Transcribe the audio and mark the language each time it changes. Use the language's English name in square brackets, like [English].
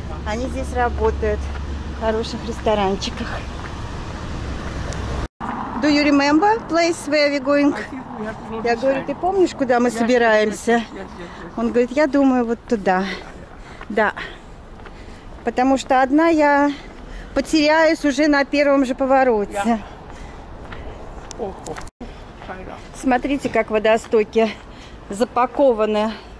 [Russian] Они здесь работают в хороших ресторанчиках. [English] Do you remember place where we going? [Russian] Я говорю, ты помнишь, куда мы собираемся? Он говорит, я думаю, вот туда. Да. Потому что одна я потеряюсь уже на первом же повороте. Смотрите, как водостоки запакованы.